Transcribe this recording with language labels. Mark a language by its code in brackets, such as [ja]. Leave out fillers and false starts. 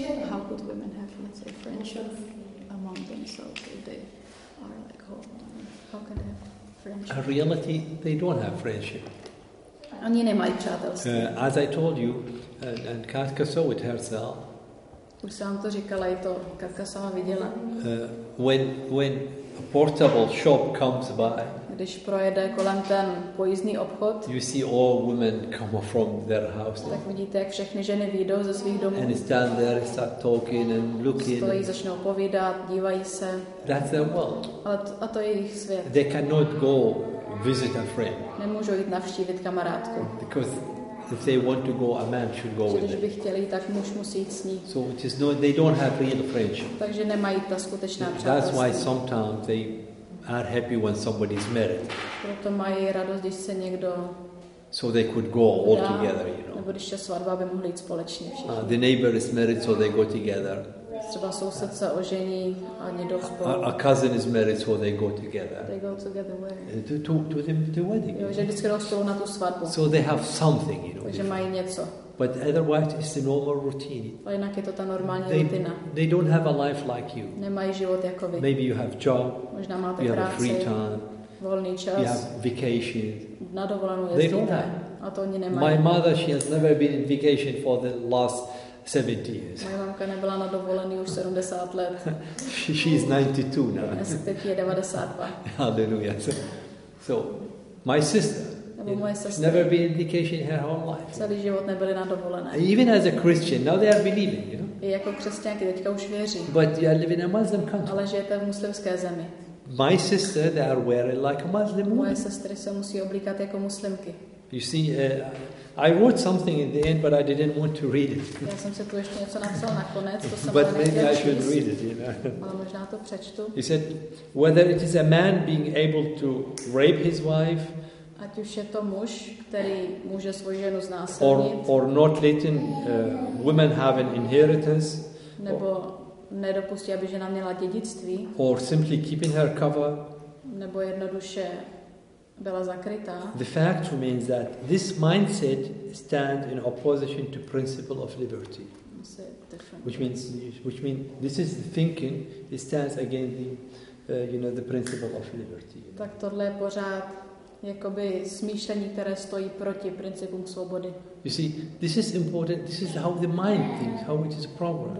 [en] How could women have, let's say, friendship among themselves if they are like home? How can they have friendship? In reality, they don't have friendship. [cs] Oni nemají přátelství. [en] As I told you, and Katka saw it herself. [cs] Už jsem to říkala, i to Katka sama viděla. [en] When a portable shop comes by. [cs] Když projede kolem ten pojízdný obchod. [en] You see all women come from their houses. [cs] Tak vidíte, jak všechny ženy vyjdou ze svých domů. [en] And stand there, start talking and looking. [cs] Stojí, začnou povídat, dívají se. [en] That's their world. [cs] A to je jejich svět. [en] They cannot go visit a friend. [cs] Nemůžu jít navštívit kamarádku. [en] Because if they want to go, a man should go with them. [cs] Když by chtěli, tak muž musí jít s ní. [en] So it is not, they don't have real friendship. [cs] Takže nemají ta skutečná přátelství. [en] That's why sometimes they are happy when somebody is married. [cs] Proto mají radost, když se někdo. [en] So they could go all together, you know. [cs] Nebo když je svatba, by mohli jít společně všichni. [en] The neighbor is married, so they go together. [cs] Třeba soused se ožení a někdo spolu. [en] A cousin is married, so they go together. They go together where? To the wedding. [cs] Jo, že vždycky rostou na tu svatbu. [en] So they have something, you know. [cs] Takže mají něco. [en] But otherwise, it's the normal routine. [cs] A jinak je to ta normální rutina. [en] They don't have a life like you. [cs] Nemají život jako vy. [en] Maybe you have job. [cs] Možná máte práci. [en] You have free time. [cs] Volný čas. [en] You have vacation. [cs] Na dovolenou jezdíte. [en] They don't have. [cs] A to oni nemají. [en] My mother, she has never been in vacation for the last 70 years. [cs] Moje mamka nebyla na dovolený už 70 let. [en] She is 92 now. [cs] Je 92. [en] Hallelujah. So my sister. Never been in vacation in her whole life. [cs] Celý život nebyli na dovolené. [en] Even as a Christian, now they are believing, you know. [cs] I jako křesťanky teďka už věří. [en] But you are living in a Muslim country. [cs] Ale žijete v muslimské zemi. [en] My sister, they are wearing like a Muslim woman. [cs] Moje sestry se musí oblíkat jako muslimky. [en] You see, I wrote something in the end, but I didn't want to read it. [cs] Já jsem se tu ještě něco napsal nakonec, to jsem [en] But maybe I should read it, you know. [cs] Ale možná to přečtu. [en] He said, whether it is a man being able to rape his wife, [cs] ať už je to muž, který může svou ženu znásilnit, [en] or not letting women have an inheritance, [cs] nebo nedopustí, aby žena měla dědictví, [en] or simply keeping her cover, [cs] nebo jednoduše byla zakrytá. [en] The fact remains that this mindset stands in opposition to principle of liberty. Which means this is the thinking it stands against the you know the principle of liberty. [cs] Tak tohle je pořád jakoby smýšlení, které stojí proti principům svobody. [en] You see, this is important. This is how the mind thinks, how it is programmed.